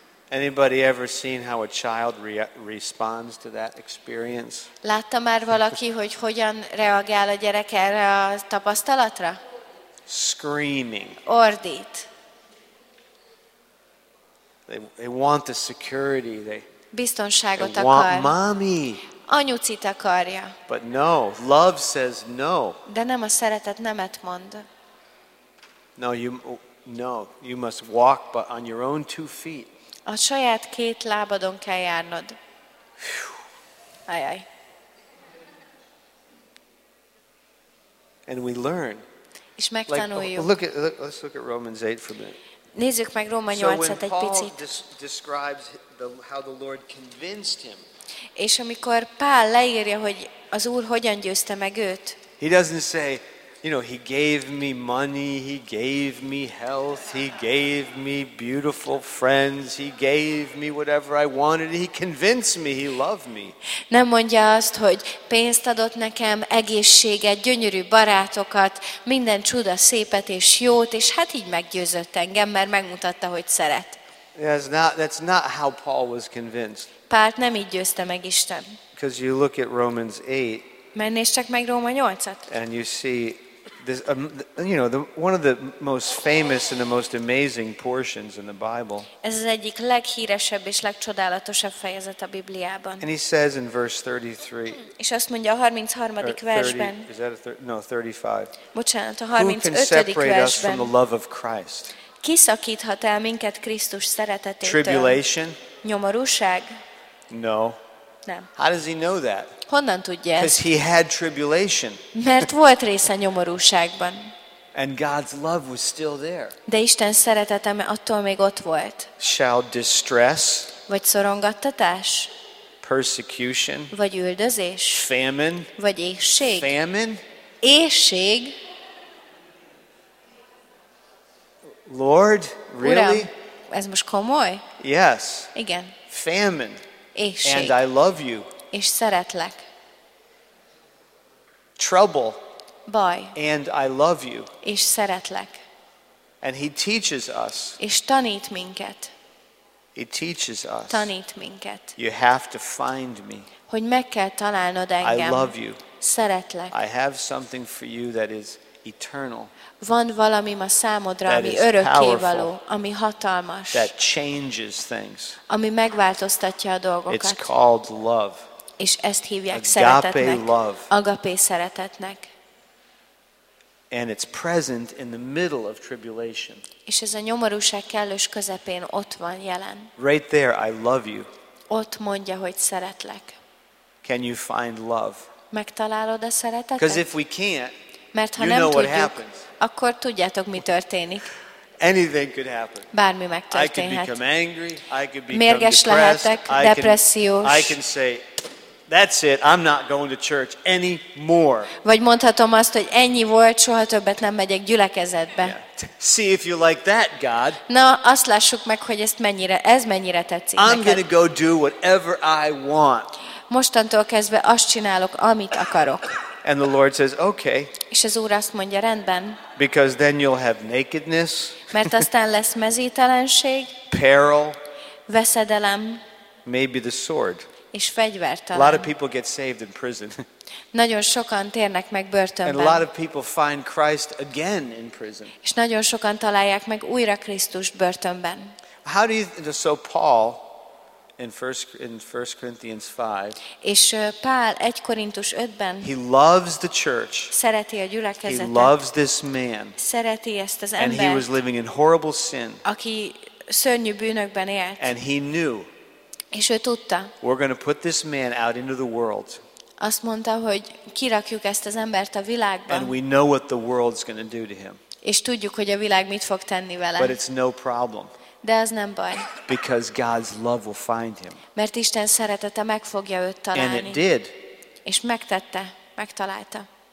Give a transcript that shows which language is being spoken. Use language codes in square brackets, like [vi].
[en] Anybody ever seen how a child responds to that experience? [hu] Látta már valaki, hogy hogyan reagál a gyerek erre a tapasztalatra? [en] Screaming. [hu] Ordít. [en] They want the security. They [hu] biztonságot akar. [en] Want mommy. [hu] Anyucit akarja. [en] But no, love says no. [hu] De nem a szeretet nemet mond. [en] No, you must walk but on your own two feet. [hu] A saját két lábadon kell járnod. Ajaj. [en] And we learn. [hu] És megtanuljuk. [en] Like, let's look at Romans 8 for a minute. [hu] Nézzük meg Róma 8-at egy picit. [en] So when Paul describes how the Lord convinced him. [hu] És amikor Pál leírja, hogy az Úr hogyan győzte meg őt. [en] He doesn't say, you know, he gave me money, he gave me health, he gave me beautiful friends, he gave me whatever I wanted, he convinced me, he loved me. [hu] Nem mondja azt, hogy pénzt adott nekem, egészséget, gyönyörű barátokat, minden csuda szépet és jót, és hát így meggyőzött engem, mert megmutatta, hogy szeret. [en] That's not how Paul was convinced. [hu] Pált nem így győzte meg Isten. [en] Because you look at Romans 8. [hu] Mert nézd csak meg Róma 8-at. [en] And you see this, you know, one of the most famous and the most amazing portions in the Bible. [hu] Ez az egyik leghíresebb és legcsodálatosabb fejezet a Bibliában. [en] And he says in verse 33. [hu] És azt mondja a 33. versben. [en] No, 35. [hu] Bocsánat, a 35. versben. [en] Who can separate us from the love of Christ? [hu] Ki szakíthat el minket Krisztus szeretetétől? [en] Tribulation? [hu] Nyomorúság? [en] No. [hu] Nem. [en] How does he know that? [hu] Honnan tudja ezt? [en] Because he had tribulation. [hu] Mert volt része nyomorúságban. [en] And God's love was still there. [hu] De Isten szeretete attól még ott volt. [en] Shall distress? [hu] Vagy szorongattatás? [en] Persecution? [hu] Vagy üldözés? [en] Famine? [hu] Vagy éhség? [en] Famine? [hu] Éhség? [en] Lord, really? [hu] Uram, ez most komoly? [en] Yes. [hu] Igen. [en] Famine. [hu] Éhség. [en] And I love you. [hu] És szeretlek. [en] Trouble. [hu] Baj. [en] And I love you. [hu] És szeretlek. [en] And he teaches us. [hu] És tanít minket. [en] He teaches us. [hu] Tanít minket. [en] You have to find me. [hu] Hogy meg kell találnod engem. [en] I love you. [hu] Szeretlek. [en] I have something for you that is eternal. [hu] Van valami ma számodra, ami örökkévaló, ami hatalmas, [en] that changes things. [hu] Ami megváltoztatja a dolgokat. [en] It's called love. [hu] És ezt hívják [en] agape [hu] szeretetnek. [en] Love. [hu] Agapé szeretetnek. [en] And it's present in the middle of tribulation. [hu] És ez a nyomorúság kellős közepén ott van jelen. [en] Right there, I love you. [hu] Ott mondja, hogy szeretlek. [en] Can you find love? [hu] Megtalálod a szeretetet? [en] Because if we can't, [hu] mert ha [en] you [hu] nem [en] know [hu] tudjuk, [en] what happens. [hu] Akkor tudjátok, mi történik. [en] Anything could happen. [hu] Bármi megtörténhet. [en] I could become angry, I could become [hu] mérges lehetek, depressziós. [en] I can say, that's it, I'm not going to church anymore. [hu] Vagy mondhatom azt, hogy ennyi volt, soha többet nem megyek gyülekezetbe. [en] Yeah. See if you like that, God. [hu] Na, azt lássuk meg, hogy ez mennyire tetszik [en] I'm I'm going to go do whatever I want. [hu] Mostantól kezdve azt csinálok, amit akarok. [en] And the Lord says, okay. [hu] És az Úr azt mondja, rendben. [en] Because then you'll have nakedness. [hu] Mert aztán lesz mezítelenség. [en] Peril. [hu] Veszedelem. [en] Maybe the sword. [hu] És fegyvertalan. [en] A lot of people get saved in prison. [hu] Nagyon sokan térnek meg börtönben. [en] And a lot of people find Christ again in prison. [hu] És nagyon sokan találják meg újra Krisztust börtönben. [en] How do you, so Paul in first Corinthians 5. [hu] És Pál 1 Korintus 5-ben. [en] He loves the church. [hu] Szereti a gyülekezetet. [en] He loves this man. [hu] Szereti ezt az embert. [en] And he was living in horrible sin. [hu] Aki szörnyű bűnökben élt. [en] And he knew. [hu] És ő tudta. [en] We're going to put this man out into the world. [hu] Azt mondta, hogy kirakjuk ezt az embert a világba. [en] And we know what the world's going to do to him. [hu] És tudjuk, hogy a világ mit fog tenni vele. [en] But it's no problem. [hu] De az nem baj. [en] Because God's love will find him. [hu] Mert Isten szeretete meg fogja őt találni. [en] And it did. [hu] És megtette, megtalálta.